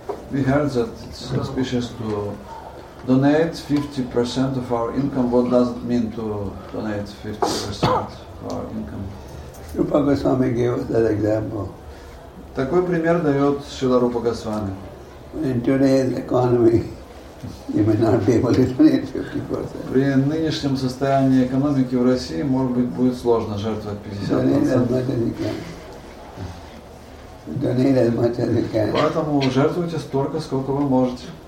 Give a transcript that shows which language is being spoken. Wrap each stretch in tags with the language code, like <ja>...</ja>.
<en>We heard that it's auspicious to donate 50% of our income. What does it mean to donate 50% of our income? Rupa Goswami gave us that example.</en> <ru>Такой пример дает Шрила Рупа Госвами.</ru> <en>In today's economy, you may not be able to donate 50%.</en> <ru>При нынешнем состоянии экономики в России, может быть, будет сложно жертвовать 50%.</ru> <en>Donate as much as you can.</en> <ru>Поэтому жертвуйте столько, сколько вы можете.</ru>